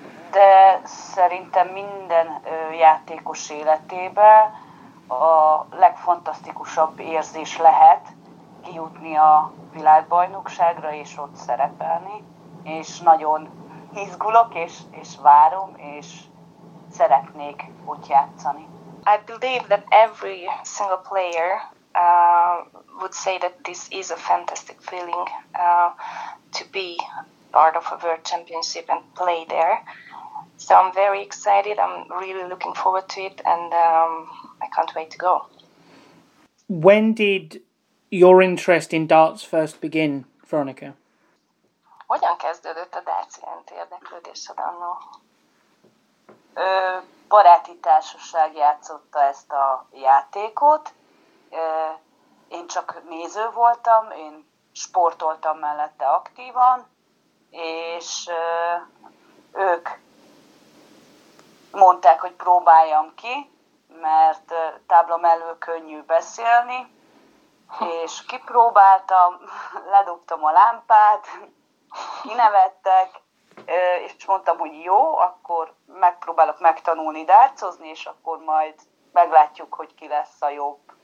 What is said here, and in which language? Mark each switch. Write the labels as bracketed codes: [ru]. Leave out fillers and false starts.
[hu] De szerintem minden játékos életében a legfantasztikusabb érzés lehet kijutni a világbajnokságra és ott szerepelni, és nagyon izgulok és várom és szeretnék ott játszani. [en] I believe that every single player would say that this is a fantastic feeling to be part of a world championship and play there. So I'm very excited, I'm really looking forward to it, and I can't wait to go. When did your interest in darts first begin, Veronica? [hu] Hogyan kezdődött a darts iránti érdeklődésed annó? Baráti társaság játszotta ezt a játékot. Én csak néző voltam, én sportoltam mellette aktívan, és ők mondták, hogy próbáljam ki, mert tábla mellől könnyű beszélni, és kipróbáltam, ledobtam a lámpát, kinevettek, és mondtam, hogy jó, akkor megpróbálok megtanulni dárcozni, és akkor majd meglátjuk, hogy ki lesz a jobb.